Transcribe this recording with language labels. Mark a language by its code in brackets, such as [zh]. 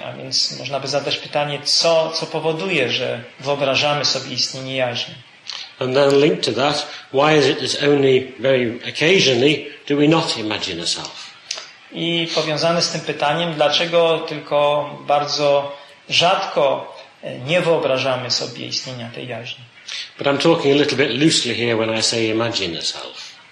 [pl] A więc można by zadać pytanie, co powoduje, że wyobrażamy sobie istnienie jaźni. [en] And then linked to that, why is it that only very occasionally do we not imagine ourselves? [pl] I powiązane z tym pytaniem, dlaczego tylko bardzo rzadko nie wyobrażamy sobie istnienia tej jaźni. [en] But I'm talking a little bit loosely here when I say imagine yourself.